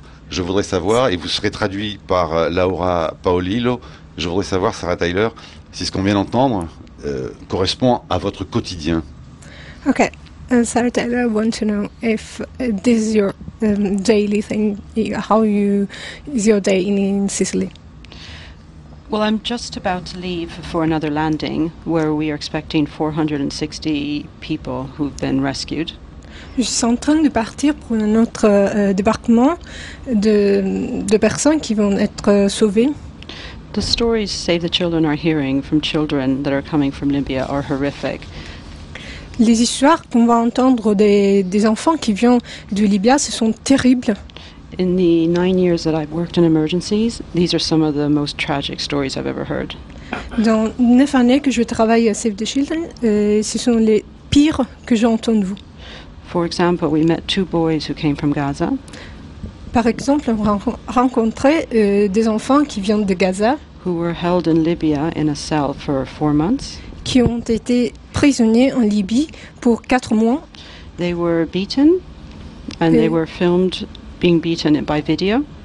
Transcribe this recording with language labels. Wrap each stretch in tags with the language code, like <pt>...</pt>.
<fr>Je voudrais savoir, et vous serez traduit par Laura Paolillo, je voudrais savoir, Sarah Tyler, si ce qu'on vient d'entendre correspond à votre quotidien. Ok.</fr> <en>Sarah Tyler, I want to know if this is your daily thing, how you is your day in Sicily? Well, I'm just about to leave for another landing where we are expecting 460 people who've been rescued.</en> <fr>Je suis en train de partir pour un autre débarquement de personnes qui vont être sauvées.</fr> <en>The stories Save the Children are hearing from children that are coming from Libya are horrific.</en> <fr>Les histoires qu'on va entendre des enfants qui viennent de Libye, ce sont terribles.</fr> <en>In the 9 years that I've worked in emergencies, these are some of the most tragic stories I've ever heard.</en> <fr>Dans 9 années que je travaille à Save the Children, ce sont les pires que j'ai entendu.</fr> <en>For example, we met two boys who came from Gaza.</en> <fr>Par exemple, on a rencontré des enfants qui viennent de Gaza.</fr> <en>Who were held in Libya in a cell for 4 months.</en> <fr>Qui ont été prisonniers en Libye pour 4 mois.</fr> <en>They were beaten and they were filmed being beaten by video.</en>